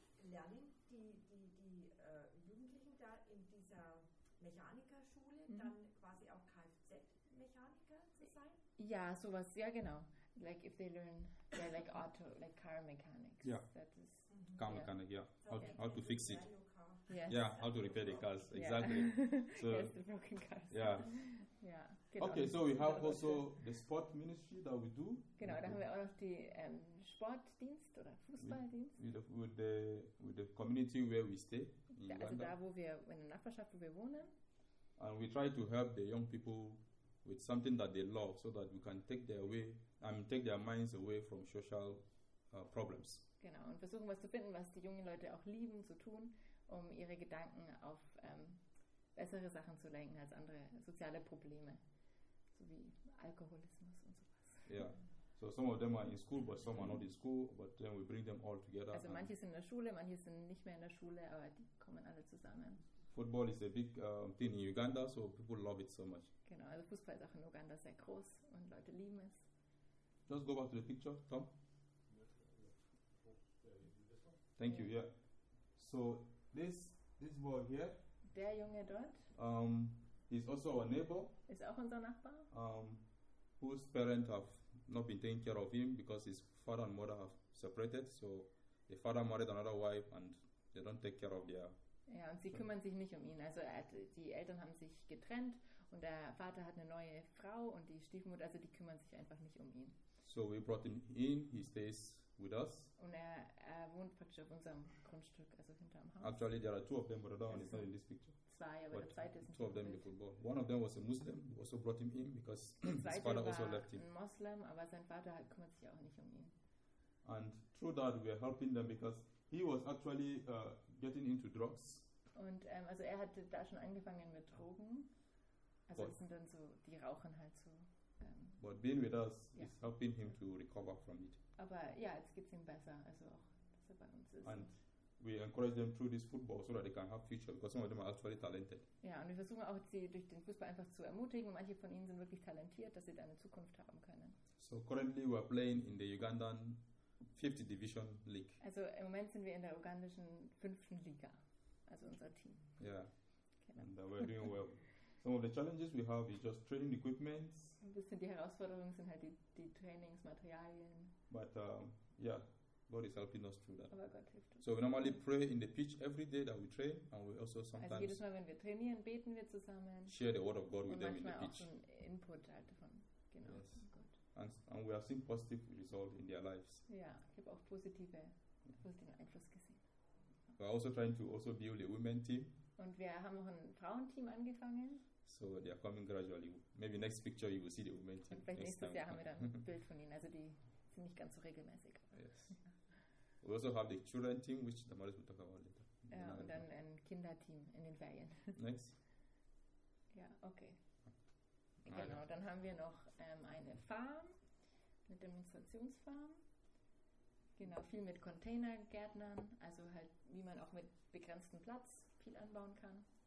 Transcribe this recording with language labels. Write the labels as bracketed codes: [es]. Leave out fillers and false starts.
[de] Lernen die Jugendlichen da in dieser Mechanikerschule dann quasi auch Kfz-Mechaniker zu sein? Ja, sowas, ja genau. [en] Like if they learn like auto, like car mechanics. [de] Ja, [en] yeah. Car mechanic, yeah. So how to fix it. Yes. Yeah, how to repair the cars, exactly. Yeah. So yes, the broken cars. Yeah. Yeah. Okay, so we have also the sport ministry that we do. [de] Genau, da haben wir auch noch die Sportdienst oder Fußballdienst. [en] With the community where we stay. [de] Also da, wo wir in der Nachbarschaft, wo wir wohnen. [en] And we try to help the young people with something that they love, so that we can take their minds away from social problems. [de] Genau, und versuchen was zu finden, was die jungen Leute auch lieben zu tun, um ihre Gedanken auf bessere Sachen zu lenken als andere soziale Probleme, so wie Alkoholismus und sowas. Ja, yeah. [en] So some of them are in school, but some are not in school, but then we bring them all together. [de] Also manche sind in der Schule, manche sind nicht mehr in der Schule, aber die kommen alle zusammen. [en] Football is a big thing in Uganda, so people love it so much. [de] Genau, also Fußball ist auch in Uganda sehr groß und Leute lieben es. [en] Just go back to the picture, Tom. Thank you, yeah. So this boy here, [de] der Junge dort, [en] is also our neighbor. [de] Ist auch unser Nachbar. [en] Whose parents have not been taking care of him because his father and mother have separated. So the father married another wife and they don't take care of their. [de] Ja, und sie kümmern sich nicht um ihn. Also die Eltern haben sich getrennt und der Vater hat eine neue Frau und die Stiefmutter, also die kümmern sich einfach nicht um ihn. [en] So we brought him in, he stays with us. [de] Und er wohnt praktisch auf unserem Grundstück, also hinter dem Haus. [en] Actually there are two of them, but the other one is not in this picture. [de] Zwei, aber der zweite ist [en] two of them in the football. One of them was a Muslim, we also brought him in because his father also left him. [de] Ein Muslim, aber sein Vater kümmert sich auch nicht um ihn. [en] And through that we are helping them because he was actually getting into drugs. [de] Und also er hatte da schon angefangen mit Drogen. Also es sind dann so, die rauchen halt so. [en] But being with us is helping him to recover from it. [de] Aber ja, jetzt geht's ihm besser, also auch, dass er bei uns ist. [en] And we encourage them through this football so that they can have future, because some of them are actually talented. [de] Ja, und wir versuchen auch, sie durch den Fußball einfach zu ermutigen. Manche von ihnen sind wirklich talentiert, dass sie da eine Zukunft haben können. [en] So currently we are playing in the Ugandan 50 Division League. [de] Also im Moment sind wir in der ugandischen 5. Liga, also unser Team. [en] Ja, and we're doing well. Some of the challenges we have is just training equipment. [de] Ein bisschen die Herausforderungen sind halt die Trainingsmaterialien. [en] But yeah, God is helping us through that. [de] Aber Gott hilft uns. [en] So we normally pray in the pitch every day that we train, and we also sometimes. [de] Also jedes Mal, wenn wir trainieren, beten wir zusammen. [en] Share the word of God with them in the pitch. [de] Und manchmal auch Input halt von genau. [en] Yes. And we have seen positive results in their lives. [de] Ja, ich habe auch positiven Einfluss gesehen. [en] We're also trying to also build a women team. [de] Und wir haben auch ein Frauenteam angefangen. [en] So they are coming gradually. Maybe next picture you will see the women team. [de] Und vielleicht nächstes Jahr haben wir dann ein Bild von ihnen. Also die sind nicht ganz so regelmäßig. [en] Yes. We also have the children team, which the Maris will talk about later. [de] Ja, und dann ein Kinderteam in den Ferien. [en] Next. [de] Ja, okay. Genau, dann haben wir noch eine Farm, eine Demonstrationsfarm. Genau, viel mit Containergärtnern, also halt, wie man auch mit begrenztem Platz viel anbauen kann.